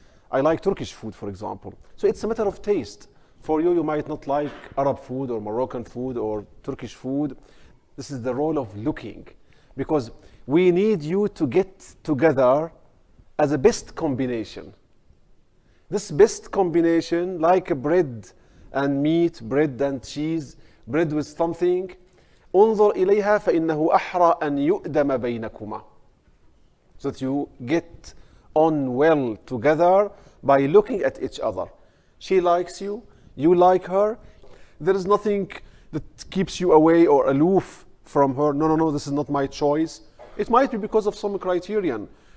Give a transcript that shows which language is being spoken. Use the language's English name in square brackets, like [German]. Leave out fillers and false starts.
[English] I like Turkish food, for example. So it's a matter of taste. For you, you might not like Arab food or Moroccan food or Turkish food. This is the role of looking. Because we need you to get together as a best combination. This best combination, like bread and meat, bread and cheese, bread with something. [Arabic] انظر إليها فإنه أحرى أن يؤدم بينكما. [English] So that you get on well together by looking at each other. She likes you, you like her. There is nothing that keeps you away or aloof from her. No, this is not my choice. It might be because of some criterion.